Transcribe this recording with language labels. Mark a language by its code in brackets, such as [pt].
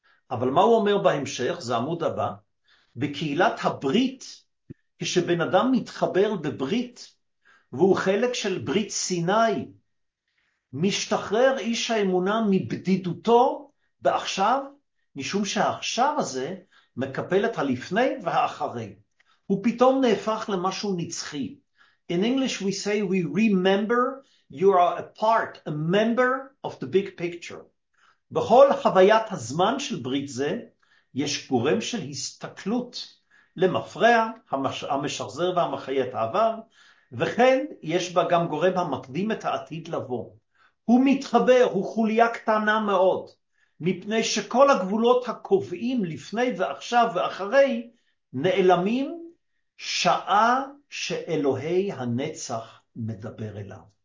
[he] אבל מה הוא אומר בהמשך? זה עמוד הבא. בקהילת הברית, כשבן אדם מתחבר בברית, והוא חלק של ברית סיני, משתחרר איש האמונה מבדידותו בעכשיו, משום שהעכשיו הזה מקפל את הלפני והאחרי. הוא פתאום נהפך למשהו נצחי. [en] In English we say we remember you are a part, a member of the big picture. [he] בכל חוויית הזמן של ברית זה, יש גורם של הסתכלות למפרע, המשחזר והמחיה את העבר, וכן יש בה גם גורם המקדים את העתיד לבוא. הוא מתחבר, הוא חוליה קטנה מאוד, מפני שכל הגבולות הקובעים לפני ועכשיו ואחרי נעלמים שעה שאלוהי הנצח מדבר אליו.